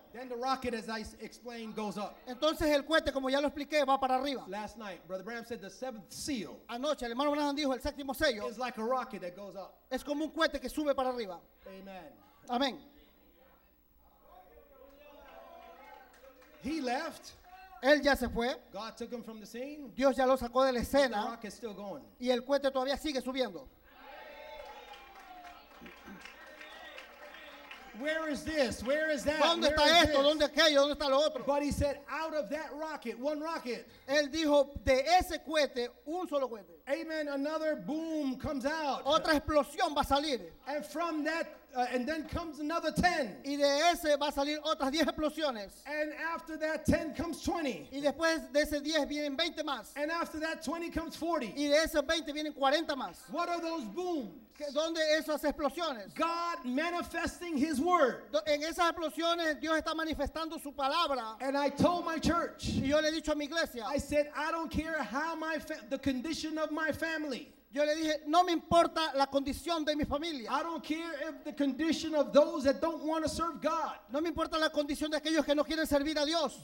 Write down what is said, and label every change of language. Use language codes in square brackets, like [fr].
[en] Then the rocket, as I explained, goes up. [es] Entonces el cohete, como ya lo expliqué, va para arriba. [en] Last night, Brother Branham said the seventh seal. [es] Anoche, el hermano Branham dijo el séptimo sello. [en] Is like a rocket that goes up. [es] Es como un cohete que sube para arriba. [en] Amen. [es] Amen. [en] He left. [es] Él ya se fue. [en] God took him from the scene. [es] Dios ya lo sacó de la escena. [en] The rocket is still going. [es] Y el cohete todavía sigue subiendo. [en] Where is this? Where is that? [es] ¿Dónde está esto? ¿Dónde aquello? ¿Dónde está lo otro? [en] But he said, out of that rocket, one rocket. [es] Él dijo, de ese cohete, un solo cohete. [en] Amen, another boom comes out. [es] Otra explosión va a salir. [en] And from that, and then comes another 10. [es] Y de ese va a salir otras 10 explosiones. [en] And after that 10 comes 20. [es] Y después de ese 10 vienen 20 más. [en] And after that 20 comes 40. [es] Y de esos 20 vienen 40 más. [en] What are those booms? [es] ¿Dónde esas explosiones? [en] God manifesting his word. [es] En esas explosiones Dios está manifestando su palabra. [en] And I told my church. [es] Y yo le he dicho a mi iglesia. [en] I said I don't care how my the condition of my family. [es] Yo le dije, no me importa la condición de mi familia. [en] I don't care if the condition of those that don't want to serve God. [es] No me importa la condición de aquellos que no quieren servir a Dios.